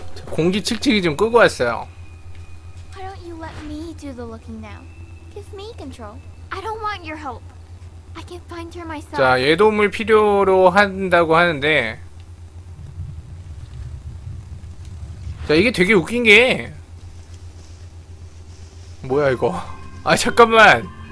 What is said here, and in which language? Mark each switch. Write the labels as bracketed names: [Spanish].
[Korean] 공기 측정기 좀 끄고 왔어요. [English] Why don't you let me do the looking now? Give me control. I don't want your help. I can find her myself. [Korean] 자, 얘 도움을 필요로 한다고 하는데. 자, 이게 되게 웃긴 게 뭐야 이거? 아, 잠깐만.